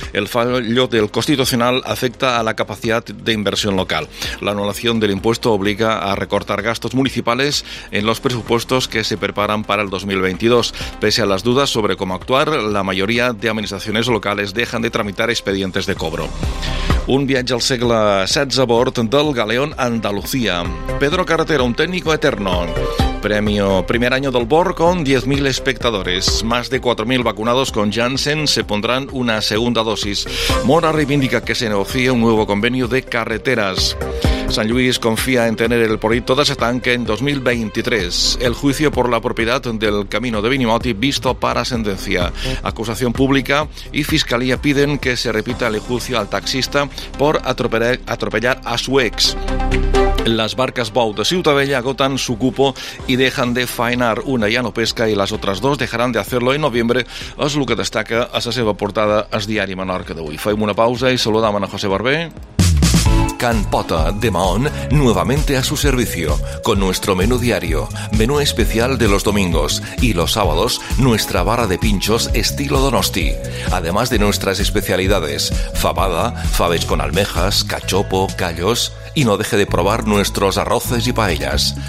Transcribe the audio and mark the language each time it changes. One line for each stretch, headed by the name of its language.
Spanish: El fallo del constitucional afecta a la capacidad de inversión local. La anulación del impuesto obliga a recortar gastos municipales en los presupuestos que se preparan para el 2022. Pese a las dudas sobre cómo actuar, la mayoría de administraciones locales dejan de tramitar expedientes de cobro.
Catalan: Un viatge al segle XVI a bord del Galeón Andalucía.
Spanish: Pedro Carretero, un técnico eterno. Premio primer año del BOR con 10.000 espectadores. Más de 4.000 vacunados con Janssen se pondrán una segunda dosis. Mora reivindica que se negocie un nuevo convenio de carreteras. San Luis confía en tener el proyecto de ese tanque en 2023. El juicio por la propiedad del camino de Benimoti visto para sentencia. Acusación pública y fiscalía piden que se repita el juicio al taxista por atropellar a su ex. Las barcas Bou de Ciutadella agotan su cupo y dejan de faenar. Una ya no pesca y las otras dos dejarán de hacerlo en noviembre. Es lo que destaca
Catalan: a la seva portada al Diari Menorca d'avui. Fem una pausa y saludam a José Barbé.
Spanish: Can Pota de Mahón, nuevamente a su servicio, con nuestro menú diario, menú especial de los domingos y los sábados, nuestra barra de pinchos estilo Donosti. Además de nuestras especialidades, fabada, faves con almejas, cachopo, callos, y no deje de probar nuestros arroces y paellas.